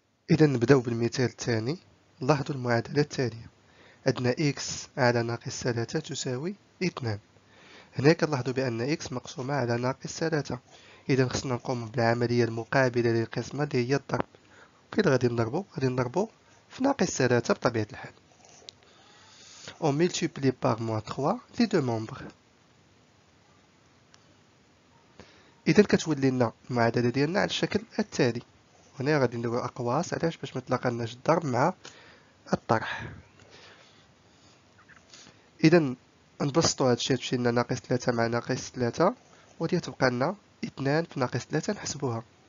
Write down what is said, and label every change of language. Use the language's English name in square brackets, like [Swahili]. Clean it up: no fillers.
[Arabic] اذا نبداو بالمثال الثاني، لاحظوا المعادله التاليه، عندنا اكس على ناقص 3 تساوي 2. هنا كنلاحظوا بأن x مقسومة على ناقص 3، إذا خصنا نقوم بالعملية المقابلة للقسمة اللي هي الضرب. فين غادي نضربو؟ غادي نضربو في ناقص 3 بطبيعة الحال. [French] On multiplie par moins 3 les deux membres. [Arabic] إذا كتولي لنا المعادلة ديالنا على الشكل التالي، هنا غادي ندور أقواس، علاش؟ باش متلاقناش الضرب مع الطرح. إذا نبسطو هادشي، تمشي لنا ناقص 3 مع ناقص 3، ودي تبقى لنا 2 في ناقص 3 نحسبوها.